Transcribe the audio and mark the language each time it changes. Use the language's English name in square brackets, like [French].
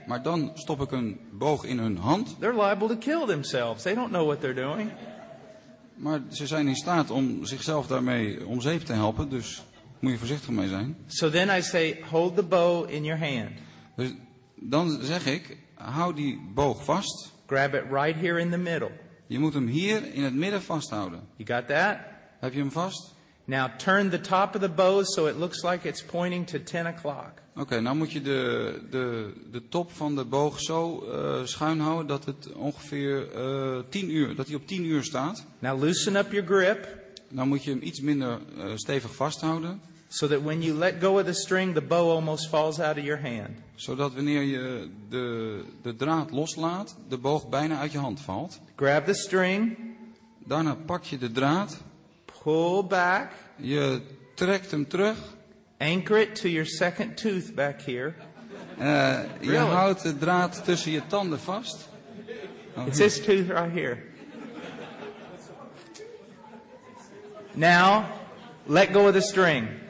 [Dutch] Maar dan stop ik een boog in hun hand. [English] They're liable to kill themselves. They don't know what they're doing. [Dutch] Maar ze zijn in staat om zichzelf daarmee om zeep te helpen, dus moet je voorzichtig mee zijn. [English] So then I say, hold the bow in your hand. [Dutch] Dus dan zeg ik, hou die boog vast. [English] Grab it right here in the middle. [Dutch] Je moet hem hier in het midden vasthouden. [English] You got that? [Dutch] Heb je hem vast? [English] Now turn the top of the bow so it looks like it's pointing to 10 o'clock. [Dutch] Oké, nou moet je de top van de boog zo schuin houden dat het ongeveer 10 uur, dat hij op 10 uur staat. [English] Now loosen up your grip. [Dutch] Nou moet je hem iets minder stevig vasthouden. [English] So that when you let go of the string, the bow almost falls out of your hand. [Dutch] Zodat wanneer je de draad loslaat, de boog bijna uit je hand valt. [English] Grab the string. [Dutch] Daarna pak je de draad. [English] Pull back. [Dutch] Je trekt hem terug. [English] Anchor it to your second tooth back here. [Dutch] Je houdt de draad tussen je tanden vast. [English] Oh, it's this tooth right here. Now, let go of the string.